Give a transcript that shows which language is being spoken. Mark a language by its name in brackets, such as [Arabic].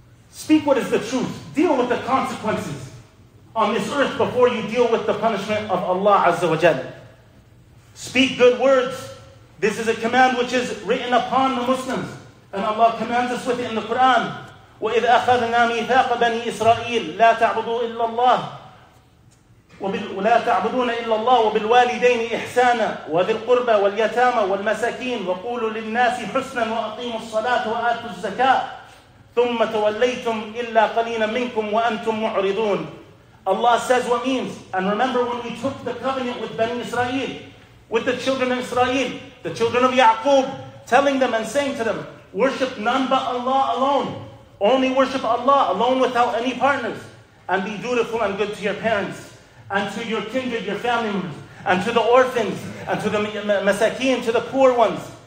[English] Speak what is the truth. Deal with the consequences on this earth before you deal with the punishment of Allah Azza wa Jalla. Speak good words. This is a command which is written upon the Muslims. And Allah commands us with it in the Quran. [Arabic] وَإِذْ أَخَذْنَا مِيثَاقَ بَنِي إِسْرَائِيلَ لَا تَعْبُدُوا إِلَّا اللَّهِ ولا تعبدون إلا الله وبالوالدين إحسانا وذي القربى واليتامى والمساكين وقولوا للناس حسنا وأقيموا الصلاة وآتوا الزكاة ثم توليتم إلا قليلا منكم وأنتم معرضون. [English] Allah says what means, and remember when we took the covenant with Bani Israel, with the children of Israel, the children of Ya'qub, telling them and saying to them, worship none but Allah alone. Only worship Allah alone without any partners. And be dutiful and good to your parents, and to your kindred, your family members, and to the orphans, and to the masakeen, to the poor ones.